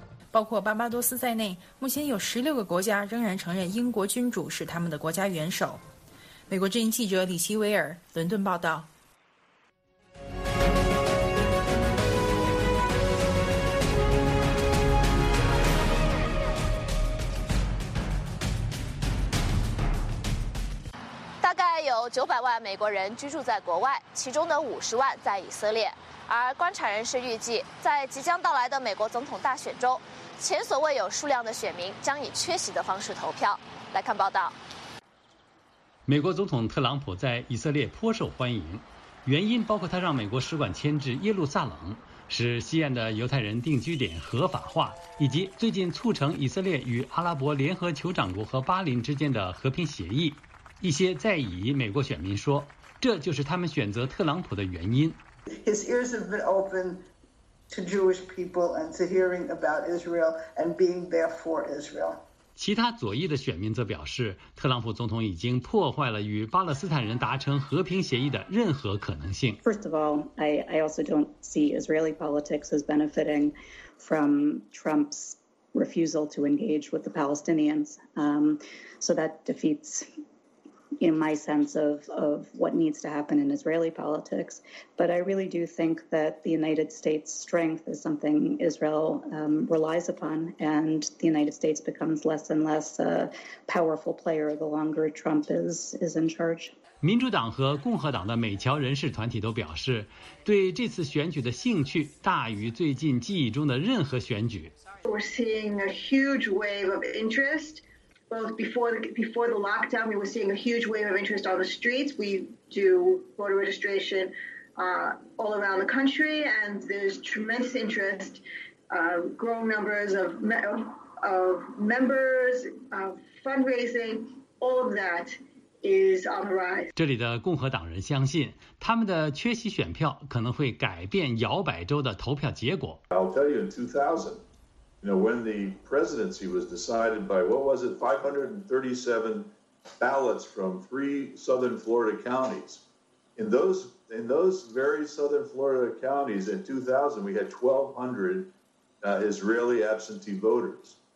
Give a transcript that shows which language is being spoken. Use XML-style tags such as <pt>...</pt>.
<zh>包括巴巴多斯在内，目前有16个国家仍然承认英国君主是他们的国家元首。美国之音记者李希维尔，伦敦报道。 900万美国人居住在国外，其中的50万在以色列。而观察人士预计，在即将到来的美国总统大选中，前所未有数量的选民将以缺席的方式投票。来看报道。美国总统特朗普在以色列颇受欢迎，原因包括他让美国使馆迁至耶路撒冷，使西岸的犹太人定居点合法化，以及最近促成以色列与阿拉伯联合酋长国和巴林之间的和平协议。一些在以美国选民说，这就是他们选择特朗普的原因。</zh> <en>His ears have been open to Jewish people and to hearing about Israel and being there for Israel.</en> <zh>其他左翼的选民则表示，特朗普总统已经破坏了与巴勒斯坦人达成和平协议的任何可能性。</zh> <en>First of all, I also don't see Israeli politics as benefiting from Trump's refusal to engage with the Palestinians. So that defeats. In my sense of what needs to happen in Israeli politics, but I really do think that the United States' strength is something Israel relies upon, and the United States becomes less and less a powerful player the longer Trump is in charge.</en> <zh>民主党和共和党的美侨人士团体都表示，对这次选举的兴趣大于最近记忆中的任何选举。</zh> <en>We're seeing a huge wave of interest. Both before the lockdown, we were seeing a huge wave of interest on the streets. We do voter registration all around the country, and there's tremendous interest, growing numbers of members, fundraising, all of that is on the rise.</en> <zh>这里的共和党人相信，他们的缺席选票可能会改变摇摆州的投票结果。</zh> <en>I'll tell you in 2000. You know, when the presidency was decided by, what was it, 537 ballots from three southern Florida counties. In those very southern Florida counties in 2000, we had 1,200 Israeli absentee voters.</en>